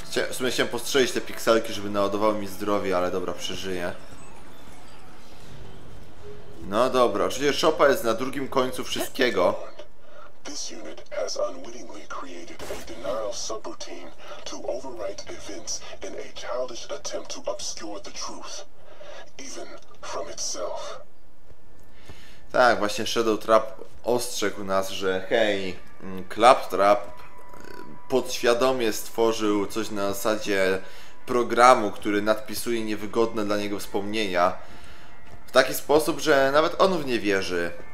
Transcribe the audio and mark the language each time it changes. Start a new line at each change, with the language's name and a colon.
Polish: W sumie chciałem postrzelić te pikselki, żeby naładowały mi zdrowie, ale dobra, przeżyję. No dobra, oczywiście Chopa jest na drugim końcu wszystkiego.
English: This unit has unwittingly created a denial subroutine to overwrite events in a childish attempt to obscure the truth, even from itself.
Polish: Tak, właśnie Shadowtrap ostrzegł nas, że hej, Claptrap podświadomie stworzył coś na zasadzie programu, który nadpisuje niewygodne dla niego wspomnienia w taki sposób, że nawet on w nie wierzy.